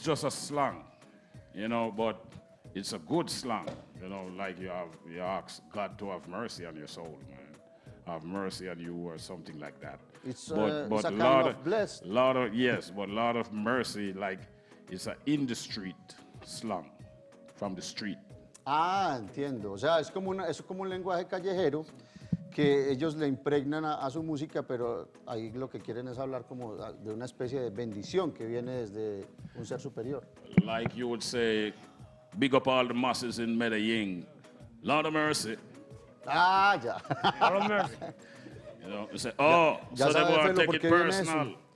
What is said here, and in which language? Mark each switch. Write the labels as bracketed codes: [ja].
[en] just a slang, you know, but it's a good slang, you know, like you ask God to have mercy on your soul, man. Have mercy on you or something like that. It's, but it's a kind of blessed. Lord of, yes, but Lord of Mercy, like, it's a in the street slang from the street. [es] Ah, entiendo. O sea, es como un lenguaje callejero que ellos le impregnan a su música, pero ahí lo que quieren es hablar como de una especie de bendición que viene desde un ser superior. [en] Like you would say, big up all the masses in Medellín. Lord of Mercy. [es] Ah, ya. [en] Lord of Mercy. You know, you say, oh, ya, ya so they want to take it personal.